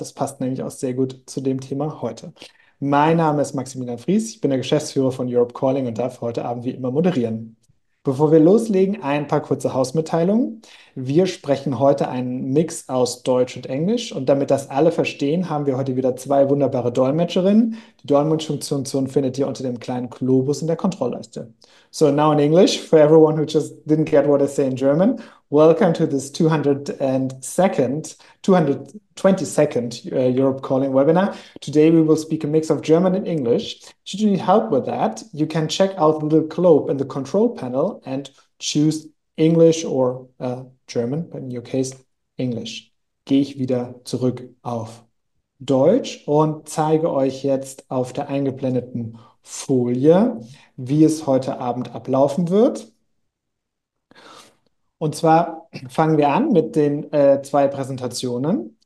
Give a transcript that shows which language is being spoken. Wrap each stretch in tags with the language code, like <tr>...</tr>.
<de>Das passt nämlich auch sehr gut zu dem Thema heute. Mein Name ist Maximilian Fries, ich bin der Geschäftsführer von Europe Calling und darf heute Abend wie immer moderieren. Bevor wir loslegen, ein paar kurze Hausmitteilungen. Wir sprechen heute einen Mix aus Deutsch und Englisch und damit das alle verstehen, haben wir heute wieder zwei wunderbare Dolmetscherinnen. Die Dolmetschfunktion findet ihr unter dem kleinen Globus in der Kontrollleiste.</de> <en>So, now in English, for everyone who just didn't get what I say in German, welcome to this 222nd Europe Calling webinar. Today we will speak a mix of German and English. Should you need help with that, you can check out the little globe in the control panel and choose English or German, but in your case, English.</en> <de>Gehe ich wieder zurück auf Deutsch und zeige euch jetzt auf der eingeblendeten Folie, wie es heute Abend ablaufen wird. Und zwar fangen wir an mit den zwei Präsentationen.</de>